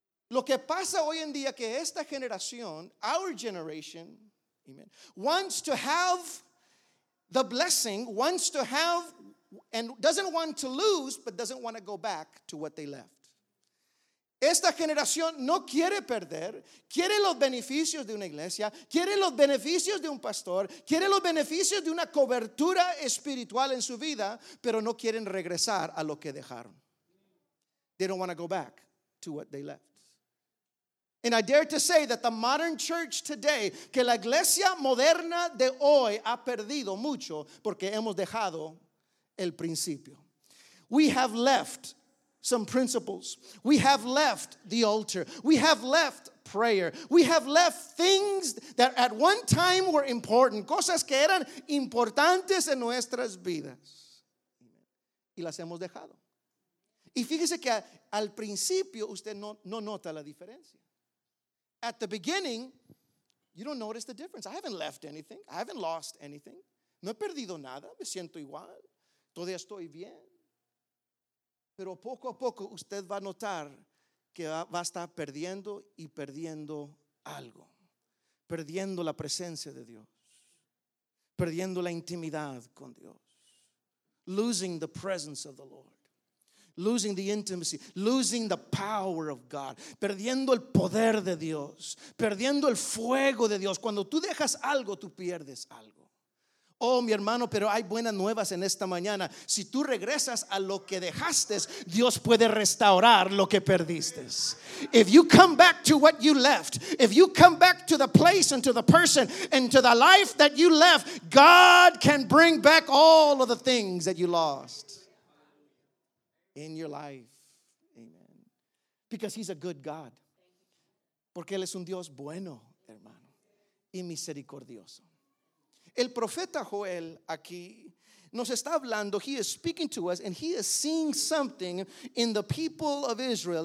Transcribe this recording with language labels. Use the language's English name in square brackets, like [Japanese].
[Spanish] Lo que pasa hoy en día que esta generación, [English] our generation, amen, wants to have the blessing, wants to have and doesn't want to lose, but doesn't want to go back to what they left. [Spanish] Esta generación no quiere perder, quiere los beneficios de una iglesia, quiere los beneficios de un pastor, quiere los beneficios de una cobertura espiritual en su vida, pero no quieren regresar a lo que dejaron. [English] They don't want to go back to what they left. And I dare to say that the modern church today, [Spanish] que la iglesia moderna de hoy ha perdido mucho porque hemos dejado el principio. [English] We have left some principles. We have left the altar. We have left prayer. We have left things that at one time were important. [Spanish] Cosas que eran importantes en nuestras vidas. Y las hemos dejado. Y fíjese que al principio usted no nota la diferencia. [English] At the beginning, you don't notice the difference. I haven't left anything. I haven't lost anything. [Spanish] No he perdido nada. Me siento igual. Todavía estoy bien. Pero poco a poco usted va a notar que va a estar perdiendo y perdiendo algo. Perdiendo la presencia de Dios. Perdiendo la intimidad con Dios. [English] Losing the presence of the Lord. Losing the intimacy, losing the power of God, [Spanish] perdiendo el poder de Dios, [English] perdiendo el fuego de Dios. [Spanish] Cuando tú dejas algo, tú pierdes algo. Oh, mi hermano, pero hay buenas nuevas en esta mañana. Si tú regresas a lo que dejaste, Dios puede restaurar lo que perdiste. [English] If you come back to what you left, if you come back to the place and to the person and to the life that you left, God can bring back all of the things that you lost. In your life, amen. Because he's a good God. [Spanish] Porque él es un Dios bueno, hermano, y misericordioso. El profeta Joel aquí nos está hablando. [English] He is speaking to us, and he is seeing something in the people of Israel.